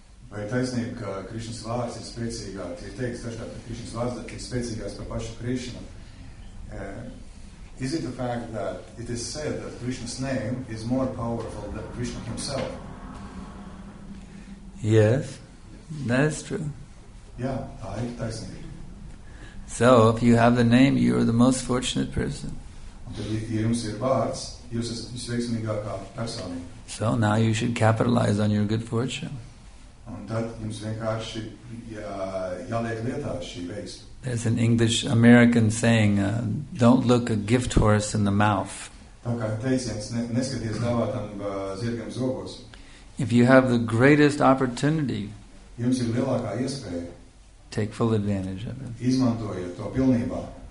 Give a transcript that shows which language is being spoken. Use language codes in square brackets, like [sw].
[lv] Vai taisnība, ka Krišnas vārds ir spēcīgāks? Ir teiks dažkārt, ka Krišnas vārds ir spēcīgāks par pašu Krišnu. [en] Is it the fact that it is said that Krishna's name is more powerful than Krishna himself? Yes, that is true. [lv] Yeah, tā ir taisnība. [en] So, if you have the name, you are the most fortunate person. [lv] Un tad, ja jums ir vārds, jūs esat sveiksmīgākā personība. [en] So, now you should capitalize on your good fortune. [lv] Un tad jums vienkārši jāliek lietā šī veiksme. [en] There's an English-American saying, don't look a gift horse in the mouth. [lv] Tā kā teiciens, neskaties dāvātam zirgam zobos. [en] If you have the greatest opportunity, [lv] jums ir lielākā iespēja, [en] take full advantage of it. [lv] Izmantojiet to pilnībā.